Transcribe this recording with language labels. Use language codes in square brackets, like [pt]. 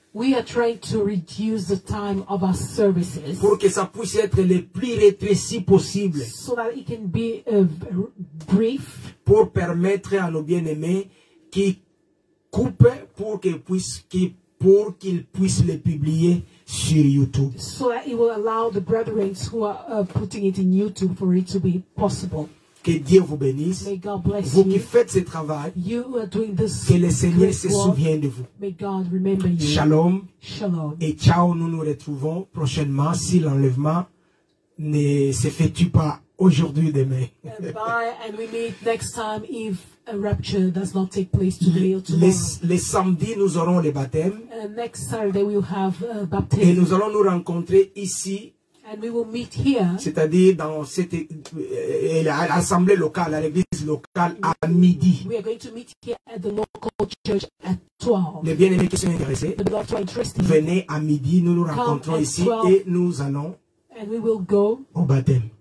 [en] We are trying to reduce the time of our services. [fr] Pour que ça puisse être le plus rétréci possible. [en] So that it can be brief. [fr] Pour permettre à nos bien-aimés qui coupent pour qu'ils puissent pour qu'il puisse les publier sur YouTube. [en] So that it will allow the brethren who are putting it in YouTube for it to be possible. [fr] Que Dieu vous bénisse. [en] May God bless [fr] vous qui faites ce travail. [en] You are doing this. [fr] Que le Seigneur se souvienne de vous. [en] May God remember you. [fr] Shalom. [en] Shalom. [fr] Et ciao, nous nous retrouvons prochainement si l'enlèvement ne s'effectue pas aujourd'hui ou demain. [en] Bye, and we meet next time if a rapture does not take place today or tomorrow. [fr] Les samedis, nous aurons le baptême. [en] Next Saturday we'll have a baptism. [fr] Et nous allons nous rencontrer ici. [en] And we will meet here. [fr] C'est-à-dire dans cette assemblée locale, à l'église locale, à midi. [en] We are going to meet here at the local church at 12. [fr] Les bien-aimés qui sont intéressés, venez à midi, nous nous rencontrons ici et nous allons au baptême.